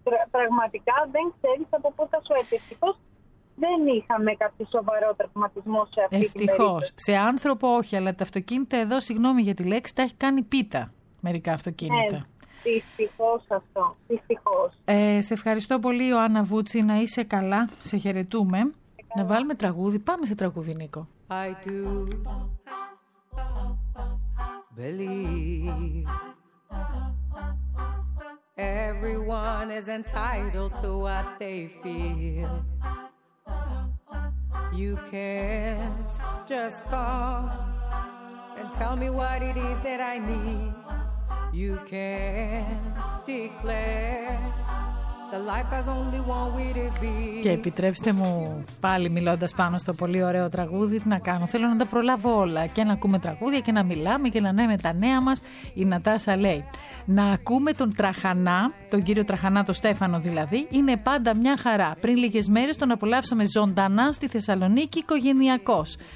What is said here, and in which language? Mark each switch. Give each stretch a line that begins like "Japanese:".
Greek: πραγματικά δεν ξέρεις από πού θα σου έρθει. Ευτυχώς δεν είχαμε κάποιο σοβαρό τραυματισμό σε αυτή την περίπτωση. Ευτυχώς. Σε άνθρωπο όχι, αλλά τα αυτοκίνητα εδώ, συγγνώμη για τη λέξη, τα έχει κάνει πίτα μερικά αυτοκίνητα. Δυστυχώς αυτό. Σε ευχαριστώ πολύ, Ιωάννα Βούτσι. Να είσαι καλά. Σε χαιρετούμε. Να βάλουμε τραγούδι. Πάμε σε τραγούδι, Νίκο.
English: I do believe everyone is entitled to what they feel. You can't just call and tell me what it is that I need. You can't declare the life has only one way to be.
Greek: Και επιτρέψτε μου πάλι μιλώντας πάνω στο πολύ ωραίο τραγούδι, τι να κάνω, θέλω να τα προλάβω όλα και να ακούμε τραγούδια και να μιλάμε και να λέμε τα νέα μας. Η Νατάσα λέει να ακούμε τον Τραχανά, τον κύριο Τραχανά, τον Στέφανο δηλαδή, είναι πάντα μια χαρά. Πριν λίγες μέρες τον απολαύσαμε ζωντανά στη Θεσσαλονίκη οικογενειακώς.